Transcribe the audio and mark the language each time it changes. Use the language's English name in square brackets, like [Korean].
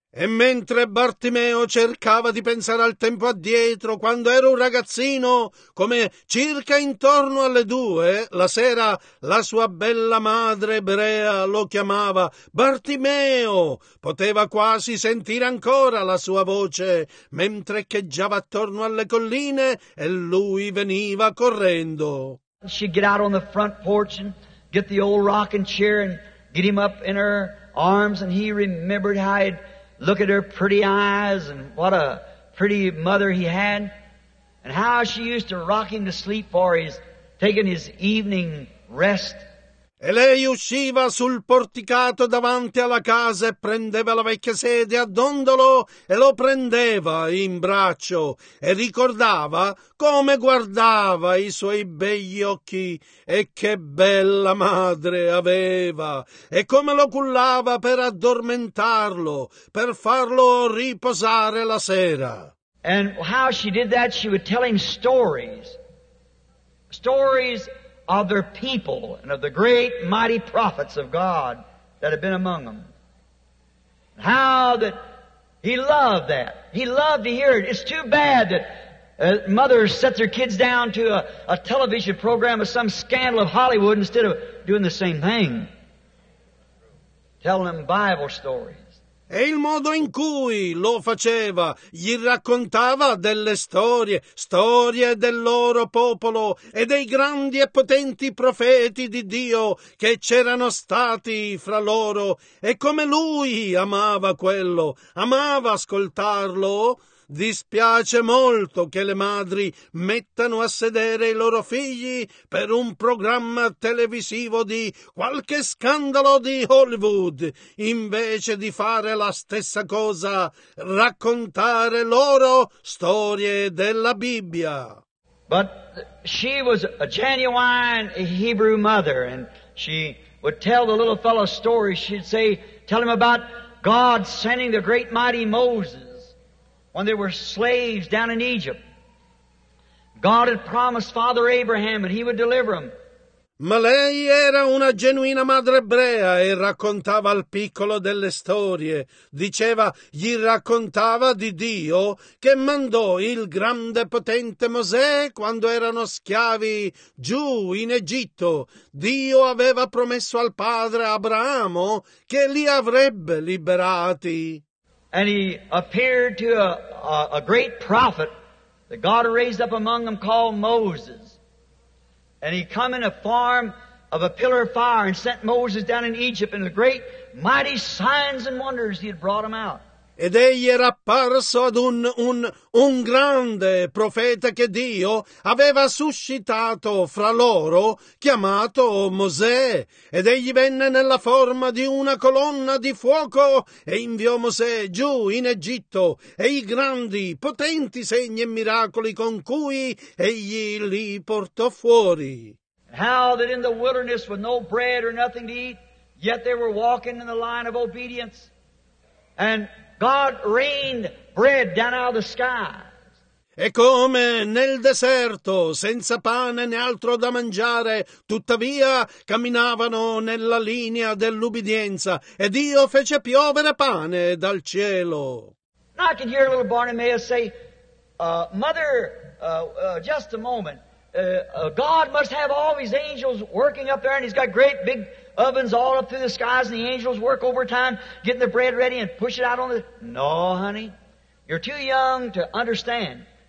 [Italian] E mentre Bartimeo cercava di pensare al tempo addietro, quando era un ragazzino, come circa intorno alle 2 la sera, la sua bella madre ebrea lo chiamava Bartimeo. Poteva quasi sentire ancora la sua voce, mentre echeggiava attorno alle colline e lui veniva correndo. [English] She'd get out on the front porch and get the old rocking chair and get him up in her arms, and he remembered how he'd look at her pretty eyes and what a pretty mother he had, and how she used to rock him to sleep for his taking his evening rest. [Italian] E lei usciva sul porticato davanti alla casa e prendeva la vecchia sedia a dondolo e lo prendeva in braccio e ricordava come guardava i suoi begli occhi e che bella madre aveva e come lo cullava per addormentarlo, per farlo riposare la sera. [English] And how she did that, she would tell him stories. Stories of their people and of the great mighty prophets of God that had been among them. How that he loved that. He loved to hear it. It's too bad that mothers set their kids down to a television program of some scandal of Hollywood instead of doing the same thing. Telling them Bible stories. [Italian] E il modo in cui lo faceva, gli raccontava delle storie, storie del loro popolo e dei grandi e potenti profeti di Dio che c'erano stati fra loro e come lui amava quello, amava ascoltarlo. Dispiace molto che le madri mettano a sedere i loro figli per un programma televisivo di qualche scandalo di Hollywood, invece di fare la stessa cosa, raccontare loro storie della Bibbia. [English] But she was a genuine Hebrew mother, and she would tell the little fellow stories. She'd say, tell him about God sending the great mighty Moses. When there were slaves down in Egypt, God had promised Father Abraham that he would deliver them. [Italian] Ma lei era una genuina madre ebrea e raccontava al piccolo delle storie. Diceva, gli raccontava di Dio che mandò il grande potente Mosè quando erano schiavi giù in Egitto. Dio aveva promesso al padre Abramo che li avrebbe liberati. [English] And he appeared to a great prophet that God raised up among them called Moses. And he come in a form of a pillar of fire and sent Moses down in Egypt and the great mighty signs and wonders he had brought him out. [Italian] Ed egli era apparso ad un grande profeta che Dio aveva suscitato fra loro, chiamato Mosè. Ed egli venne nella forma di una colonna di fuoco e inviò Mosè giù in Egitto e i grandi, potenti segni e miracoli con cui egli li portò fuori. [English] How that in the wilderness with no bread or nothing to eat, yet they were walking in the line of obedience. And God rained bread down out of the sky. [Italian] E come nel deserto, senza pane né altro da mangiare, tuttavia camminavano nella linea dell'ubbidienza, e Dio fece piovere pane dal cielo. [English] Now I can hear little Bartimaeus say, Mother, just a moment. God must have all these angels working up there, and he's got great big ovens all up through the skies, and the angels work overtime getting the bread ready and push it out on the... No, honey, you're too young to understand.